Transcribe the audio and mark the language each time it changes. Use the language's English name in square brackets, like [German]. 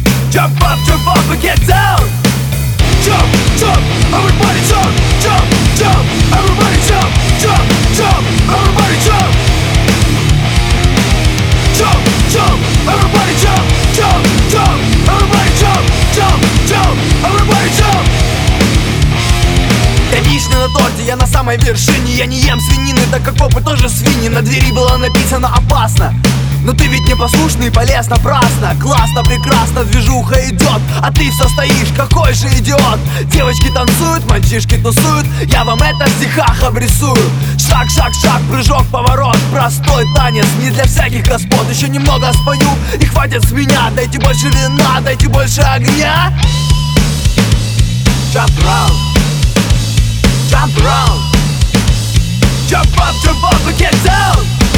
[English] Jump around, jump up and get down. Jump, jump, everybody jump, jump, jump, everybody jump, jump, jump, everybody jump. Jump, jump, everybody jump, jump, jump, everybody jump, jump, jump, everybody jump. [Russian] Я вишня на торте, я на самой вершине. Я не ем свинины, так как попы тоже свиньи. На двери было написано опасно. Но ты ведь непослушный, полез напрасно. Классно, прекрасно, движуха идет. А ты все стоишь, какой же идиот. Девочки танцуют, мальчишки тусуют. Я вам это в стихах обрисую. Шаг, шаг, шаг, прыжок, поворот. Простой танец, не для всяких господ. Еще немного спою, и хватит с меня. Дайте больше вина, дайте больше огня. [English] Jump around. Jump around. Jump up and get down.